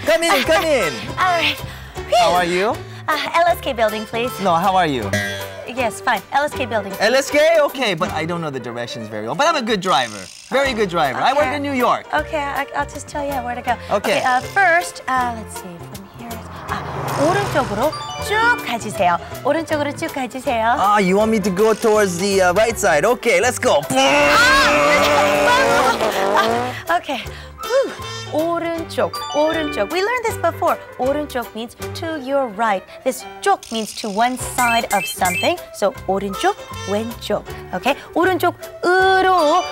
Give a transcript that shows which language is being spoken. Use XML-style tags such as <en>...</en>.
<en>Come in, come in! All right. How are you? LSK building, please. No, how are you? Yes, fine. LSK building. LSK? Okay, but I don't know the directions very well. But I'm a good driver. Very good driver. Okay. I work in New York. Okay, I'll just tell you where to go. Okay. Okay, first, let's see.</en> <ko>오른쪽으로 쭉 가주세요. 오른쪽으로 쭉 가주세요.</ko> <en>Ah, you want me to go towards the right side? Okay, let's go. Okay. Whew. 오른쪽, 오른쪽. We learned this before. 오른쪽 means to your right. This 쪽 means to one side of something.</en> <ko>So 오른쪽, 왼쪽. Okay. 오른쪽으로.</ko>